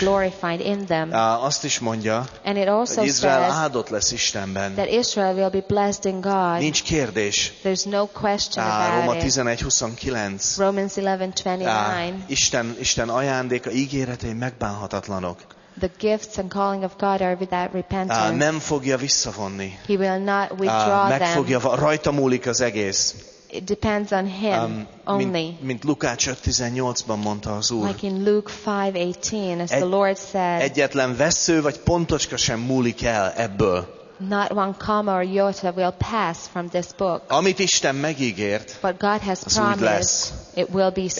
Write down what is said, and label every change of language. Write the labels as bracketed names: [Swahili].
[English] be glorified in them. [Hungarian] Azt is mondja, [English] and it also [Hungarian] hogy Izrael [English] says [Hungarian] áldott lesz Istenben. [English] That Israel will be blessed in God. [Hungarian] Nincs kérdés. [English] There's no question about it. [Hungarian] Róma 11:29. [English] Romans 11:29. [Hungarian] Isten ajándéka, ígéretei megbánhatatlanok. [English] The gifts and calling of God are without repentance. [Hungarian] Nem fogja visszavonni. [English] He will not withdraw them. [Hungarian] Rajta múlik az egész. [English] it depends on him only. [Hungarian] Mint Lukács 5:18-ban mondta az Úr. [English] Like in Luke 5:18, as the Lord said. [Hungarian] Egyetlen vessző vagy pontocska sem múlik el ebből. [English] Not one comma or iota will pass from this book. [Hungarian] Amit Isten megígért, [English] but God has promised, it will be so.